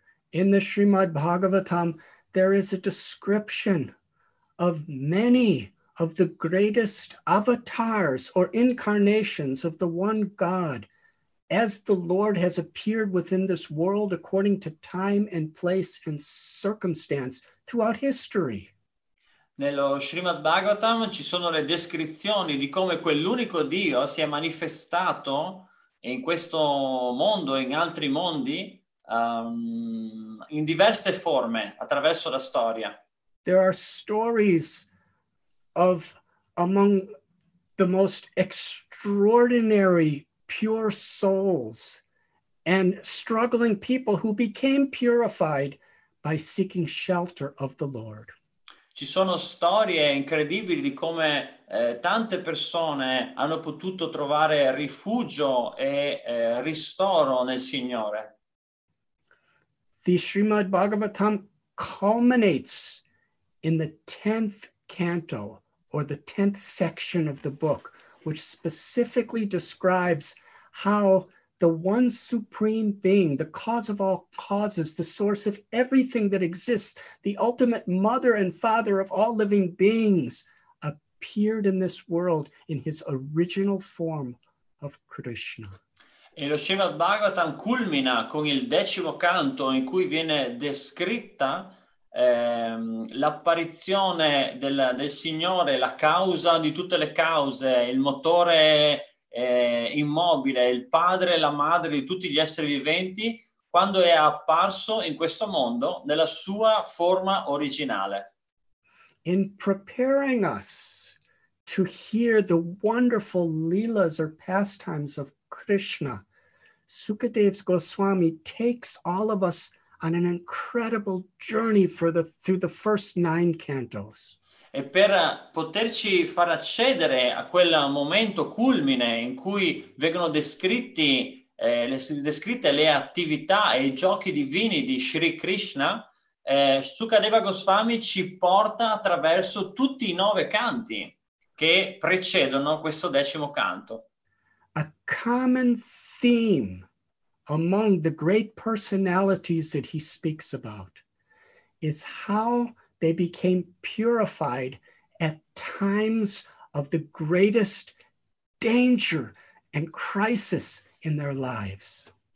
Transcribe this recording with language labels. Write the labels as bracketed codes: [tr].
[en] In the Srimad Bhagavatam there is a description of many of the greatest avatars or incarnations of the one God, as the Lord has appeared within this world according to time and place and circumstance throughout history. [it] Nello Srimad Bhagavatam ci sono le descrizioni di come quell'unico Dio si è manifestato in questo mondo e in altri mondi in diverse forme attraverso la storia. [en] There are stories of among the most extraordinary pure souls and struggling people who became purified by seeking shelter of the Lord. [it] Ci sono storie incredibili di come tante persone hanno potuto trovare rifugio e ristoro nel Signore. [en] The Srimad Bhagavatam culminates in the 10th canto, or the 10th section of the book, which specifically describes how the one supreme being, the cause of all causes, the source of everything that exists, the ultimate mother and father of all living beings, appeared in this world in his original form of Krishna. [it] E lo Srimad Bhagavatam culmina con il 10° canto in cui viene descritta l'apparizione del Signore, la causa di tutte le cause, il motore immobile, il padre e la madre di tutti gli esseri viventi, quando è apparso in questo mondo nella sua forma originale. [en] In preparing us to hear the wonderful lilas or pastimes of Krishna, Sukadeva Goswami takes all of us on an incredible journey through the first 9 cantos. [it] E per poterci far accedere a quel momento culmine in cui vengono descritte le attività e i giochi divini di Sri Krishna, Sukadeva Goswami ci porta attraverso tutti i 9 canti che precedono questo 10° canto. [en] A common theme among the great personalities that he speaks about is how they became purified at times of the greatest danger and crisis in their lives.